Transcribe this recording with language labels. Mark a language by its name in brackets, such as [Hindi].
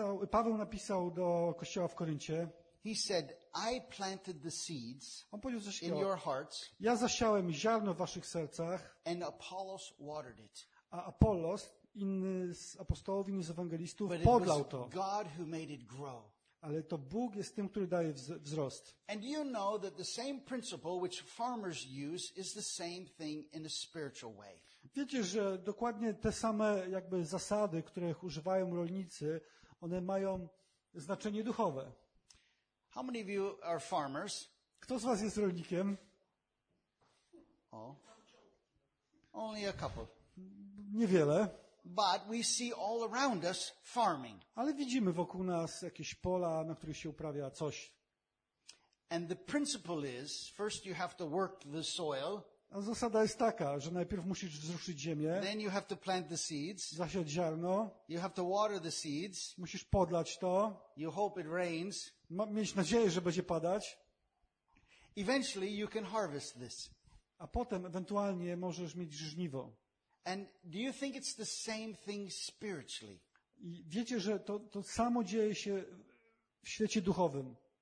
[Polish] Paweł napisał do kościoła w Koryncie. [English] He said, I planted the seeds in your hearts. [Polish] Ja zasiałem ziarno w waszych sercach. [English] And Apollos watered it. [Polish] A Apollos, inny z apostołów, inny z ewangelistów, podlał to. [English] God who made it grow. [Polish] Ale to Bóg jest tym, który daje wzrost. [English] And you know that the same principle which farmers use is the same thing in a spiritual way. [Polish] Wiecie, że dokładnie te same jakby zasady, których używają rolnicy, one mają znaczenie duchowe. [English] How many of you are farmers? [Polish] Kto z was jest rolnikiem? [English] Oh. Only a couple. [Polish] Niewiele. [English] But we see all around us farming. [Polish] Ale widzimy wokół nas jakieś pola, na których się uprawia coś. [English] And the principle is, first you have to work the soil. [Polish] A zasada jest taka, że najpierw musisz wzruszyć ziemię. [English] Then you have to plant the seeds. [Polish] Zasiać ziarno. [English] You have to water the seeds. [Polish] Musisz podlać to. [English] You hope it rains. [Polish] Mieć nadzieję, że będzie padać. [English] Eventually you can harvest this. [Polish] A potem ewentualnie możesz mieć żniwo. [English] And do you think it's the same thing spiritually? [Polish] I wiecie, że to samo dzieje się w świecie duchowym?